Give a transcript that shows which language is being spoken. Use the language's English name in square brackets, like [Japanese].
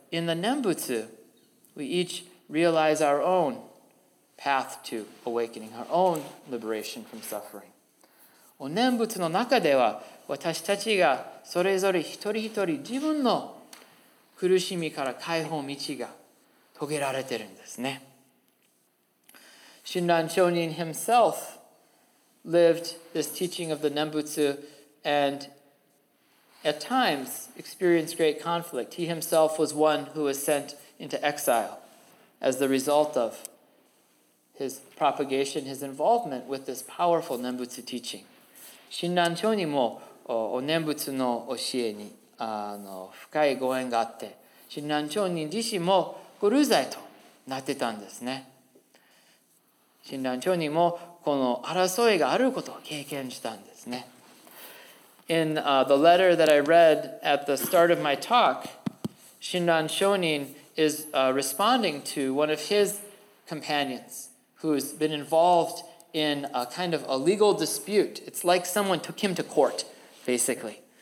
[English] in the Nembutsu, we each realize our own path to awakening, our own liberation from suffering. [Japanese] お念仏の中では、私たちがそれぞれ一人一人自分の苦しみから解放道が遂げられているんですね。 [English] Shinran Shonin himself lived this teaching of the Nembutsu and at times experienced great conflict. He himself was one who was sent into exile as the result of his propagation, his involvement with this powerful Nembutsu teaching. [Japanese] Shinran Shonin もお念仏の教えに深いご縁があって、親鸞聖人自身もご流罪となってたんですね。親鸞聖人もこの争いがあることを経験したんですね。 [English] In the letter that I read at the start of my talk, 親鸞聖人 is responding to one of his companions who's been involved in a kind of a legal dispute. It's like someone took him to court, basically.